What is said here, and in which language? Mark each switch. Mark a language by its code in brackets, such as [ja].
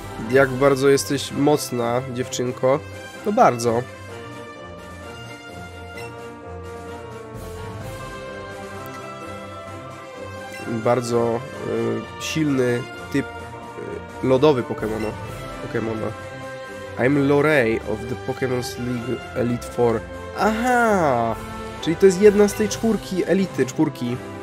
[pl] Jak bardzo jesteś mocna, dziewczynko. To bardzo. Bardzo silny typ lodowy Pokemona. [en] I'm Lorei of the Pokemon League Elite 4. Aha! [pl] Czyli to jest jedna z tej czwórki elity, czwórki.